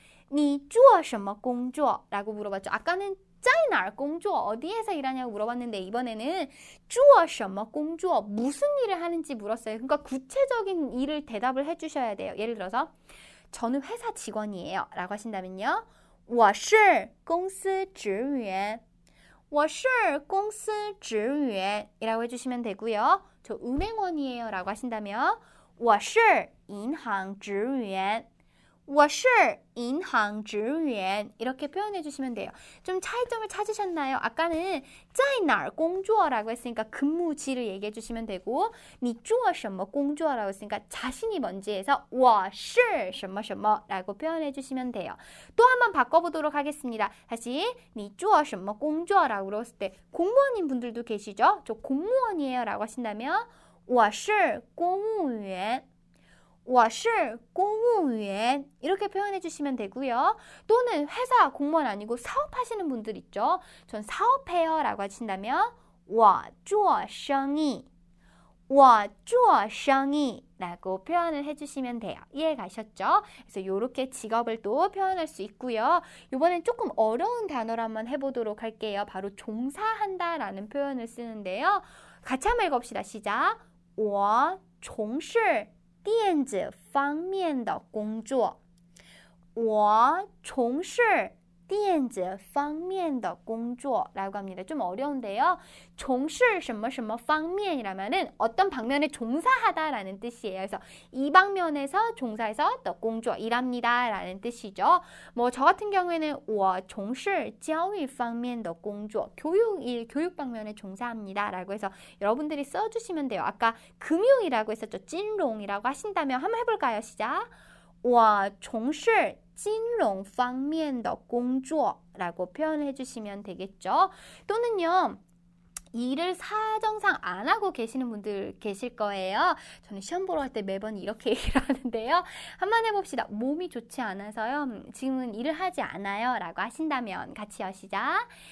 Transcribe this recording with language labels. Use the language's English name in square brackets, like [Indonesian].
[Korean] 你做什么工作? 라고 물어봤죠. 아까는 在哪儿工作? 어디에서 일하냐고 물어봤는데 이번에는 做什么工作? 무슨 일을 하는지 물었어요. 그러니까 구체적인 일을 대답을 해주셔야 돼요. 예를 들어서 저는 회사 직원이에요. 라고 하신다면요. [Chinese] 我是公司职员。我是公司职员。 이라고 해주시면 되고요. [Korean] 저 은행원이에요. 라고 하신다면 我是银行职员。我是银行职员 이렇게 표현해 주시면 돼요. 좀 차이점을 찾으셨나요? 아까는 在哪儿工作 라고 했으니까 근무지를 얘기해 주시면 되고, 你做什么工作 라고 했으니까 자신이 뭔지에서 我是什么什么 라고 표현해 주시면 돼요. 또 한번 바꿔보도록 하겠습니다. 다시 你做什么工作 라고 물었을 때 공무원인 분들도 계시죠? 저 공무원이에요라고 하신다면 我是公务员. 我是公务员 이렇게 표현해 주시면 되고요. 또는 회사 공무원 아니고 사업하시는 분들 있죠. 전 사업해요라고 하신다면 我做生意.我做生意 라고 표현을 해 주시면 돼요. 이해 가셨죠? 그래서 요렇게 직업을 또 표현할 수 있고요. 이번엔 조금 어려운 단어를 한번 해 보도록 할게요. 바로 종사한다라는 표현을 쓰는데요. 같이 한번 읽어 봅시다. 시작. [Chinese] 我从事 电子方面的工作，我从事 [Korean] 电子方面的工作라고 합니다. 좀 어려운데요. 从事什么什么方面 이라면은 어떤 방면에 종사하다라는 뜻이에요. 그래서 이 방면에서 종사해서 더 공조 일합니다라는 뜻이죠. 뭐 저 같은 경우에는 我从事教育方面的工作, 교육일 교육 방면에 종사합니다라고 해서 여러분들이 써 주시면 돼요. 아까 금융이라고 했었죠. 진롱이라고 하신다면 한번 해 볼까요? 시작. 我从事 金融方面的工作 라고 표현해 주시면 되겠죠. 또는요, 일을 사정상 안 하고 계시는 분들 계실 거예요. 저는 시험 보러 갈 때 매번 이렇게 얘기를 하는데요. 한번 해봅시다. 몸이 좋지 않아서요. 지금은 일을 하지 않아요. 라고 하신다면 같이 하시자.